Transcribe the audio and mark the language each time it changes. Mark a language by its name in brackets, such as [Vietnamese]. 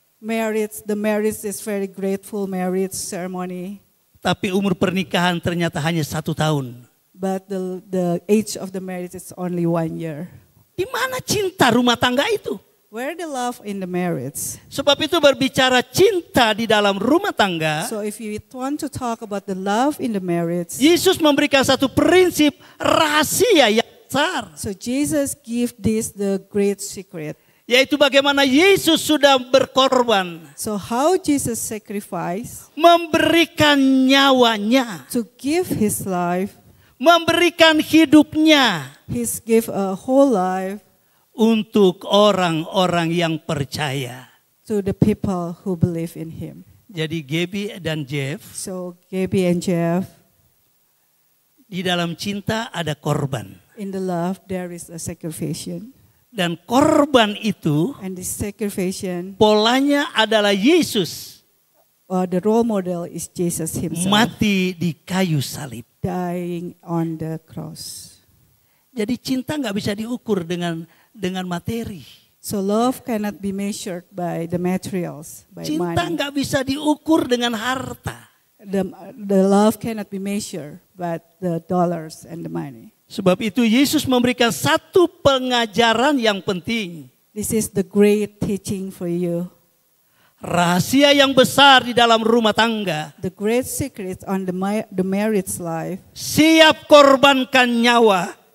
[English] Marriage, the marriage is very grateful marriage ceremony. [Indonesian] Tapi umur pernikahan ternyata hanya 1 tahun. [English] But the age of the marriage is only 1 year. [Indonesian] Di mana cinta rumah tangga itu? [English] Where the love in the marriage? [Indonesian] Sebab itu berbicara cinta di dalam rumah tangga. [English] So if you want to talk about the love in the marriage. [Indonesian] Yesus memberikan satu prinsip rahasia yang besar. [English] So Jesus give this the great secret. [Indonesian] Yaitu bagaimana Yesus sudah berkorban. [English] So how Jesus sacrifice? [Indonesian] Memberikan nyawanya. [English] To give his life. [Indonesian] Memberikan hidupnya. [English] He gave a whole life. [Indonesian] Untuk orang-orang yang percaya. [English] To the people who believe in him. [Indonesian] Jadi Gabby dan Jeff. [English] So Gabby and Jeff. [Indonesian] Di dalam cinta ada korban. [English] In the love there is a sacrifice. [Indonesian] Dan korban itu. [English] And the sacrifice. [Indonesian] Polanya adalah Yesus. [English] The role model is Jesus himself. [Indonesian] Mati di kayu salib. [English] Dying on the cross. [Indonesian] Jadi cinta gak bisa diukur dengan materi. [English] So love cannot be measured by the materials, by [Indonesian] cinta [English] money. [Indonesian] Cinta enggak bisa diukur dengan harta. [English] The love cannot be measured by the dollars and the money. [Indonesian] Sebab itu Yesus memberikan satu pengajaran yang penting. [English] This is the great teaching for you. [Indonesian] Rahasia yang besar di dalam rumah tangga. [English] The great secret on the marriage life. [Indonesian] Siap korbankan nyawa.